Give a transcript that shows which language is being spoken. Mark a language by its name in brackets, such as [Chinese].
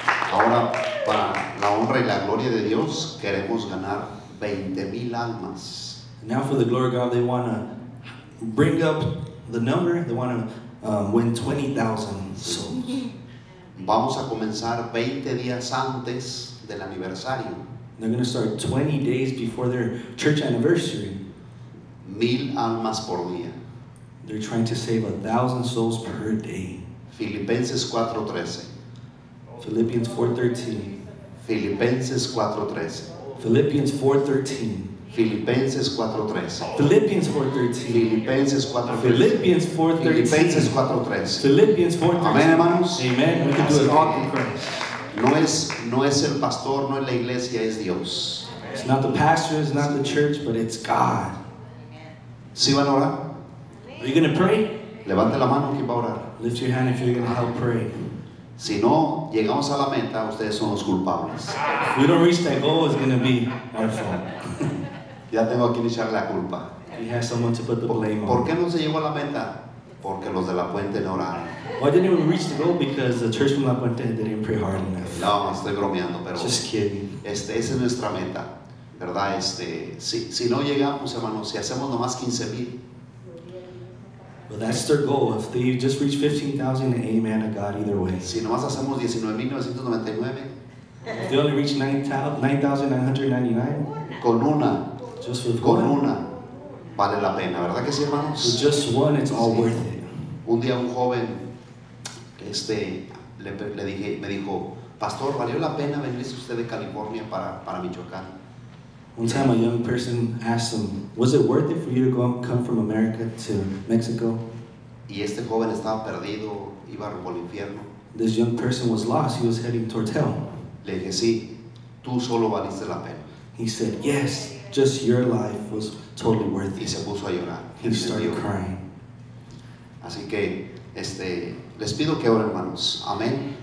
[Spanish] Ahora, para la honra y la gloria de Dios, queremos ganar 20,000 almas. [English] Now for the glory of God, they want to bring up the number, they want to win 20,000 souls. [Spanish] Vamos a comenzar 20 días antes del aniversario. [English] They're going to start 20 days before their church anniversary. [Spanish] 1,000 almas por día. [English] They're trying to save 1,000 souls per day. [Spanish] Filipenses 4:13. [English] Philippians 4:13. [Spanish] Filipenses 4:13. [English] Philippians 4:13. [Spanish] Filipenses 4:13. [English] Philippians 4:13. [Spanish] Filipenses 4:13. [English] Philippians 4:13. [Spanish] Filipenses 4:13. [English] Philippians 4:13. [Spanish] Amén, hermanos. [English] Amen. We can do it all in Christ. [Spanish] No es el pastor, no es la iglesia, es Dios. [English] It's not the pastor, it's not the church, but it's God. [Spanish] ¿Sí van a orar? [English] Are you going to pray? [Spanish] Levante la mano quien va a orar. [English] Lift your hand if you're going to help pray. [Spanish] Si no llegamos a la meta, ustedes son los culpables. [English] If we don't reach that goal, it's going to be our fault. [Spanish] Ya tengo a quien echarle la culpa. [English] We have someone to put the blame on. [Spanish] ¿Por qué no se llegó a la meta? Porque los de La Puente no oraron. [English] Why didn't even reach the goal? Because the church from La Puente didn't pray hard enough. [Spanish] No, estoy bromeando, pero [English] just kidding. [Spanish] Esa es nuestra meta, ¿verdad? Si no llegamos, hermanos, si hacemos nomás 15,000. [English] Well, that's their goal. If they just reach 15,000, amen to God either way. [Spanish] Si nomás hacemos 19,999. [English] If they only reach 9,999. [Spanish] Con una. [English] Just with [Spanish] con [English] one. [Spanish] Con una. Vale la pena, ¿verdad que sí, hermanos? [English] With just one, it's all worth it. [Spanish] Un día un joven, me dijo, Pastor, ¿valió la pena venirse usted de California para Michoacán? [English] One time a young person asked him, was it worth it for you to come from America to Mexico? [Spanish] Y este joven estaba perdido, iba rumbo al infierno. [English] This young person was lost, he was heading towards hell. [Spanish] Le dije, sí, tú solo valiste la pena. [English] He said, yes, just your life was totally worth it. [Spanish] Y se puso a llorar. [English] He started crying. [Spanish] Así que, les pido que oren, hermanos. Amén.